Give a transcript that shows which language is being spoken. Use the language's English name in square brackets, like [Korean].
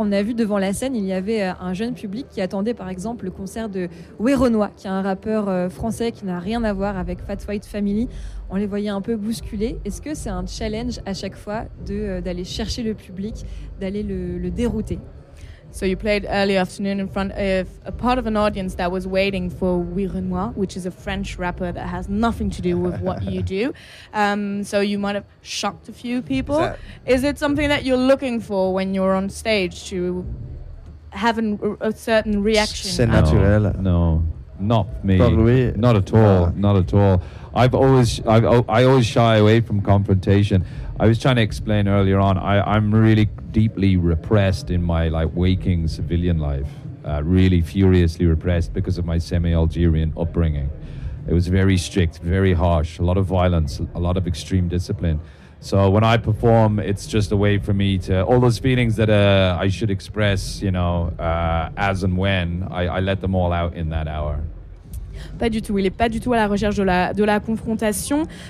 [French] On a vu devant la scène, il y avait un jeune public qui attendait par exemple le concert de Weronois, qui est un rappeur français qui n'a rien à voir avec Fat White Family. On les voyait un peu bousculés. Est-ce que c'est un challenge à chaque fois d'aller chercher le public, d'aller le dérouter? [English] So you played early afternoon in front of a part of an audience that was waiting for Weronois, which is a French rapper that has nothing to do with what you do. So you might have shocked a few people. Is it something that you're looking for when you're on stage to have a certain reaction? [French] C'est naturel. [English] No, not me. Probably. Not at all. No. Not at all. I always shy away from confrontation. I was trying to explain earlier on, I'm really deeply repressed in my like waking civilian life, really furiously repressed because of my semi-Algerian upbringing. It was very strict, very harsh, a lot of violence, a lot of extreme discipline. So when I perform, it's just a way for me to, all those feelings that I should express, you know, as and when, I let them all out in that hour. [French] Pas du tout, il n'est pas du tout à la recherche de la confrontation.